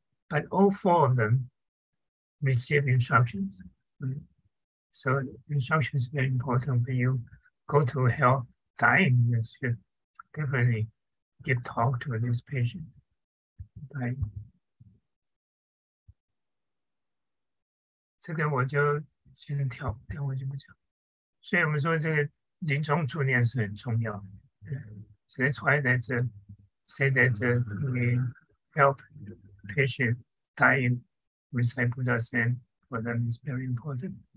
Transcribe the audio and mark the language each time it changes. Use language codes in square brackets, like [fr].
[en] But all four of them receive instructions. So instructions are very important when you go to hell, dying, you should definitely give talk to this patient. Dying. [zh] 这个我就先跳，等会就不讲。所以我们说这个临终助念是很重要的。 [en] So that's why that's a, say that we help patient dying recite Buddha's name for them is very important.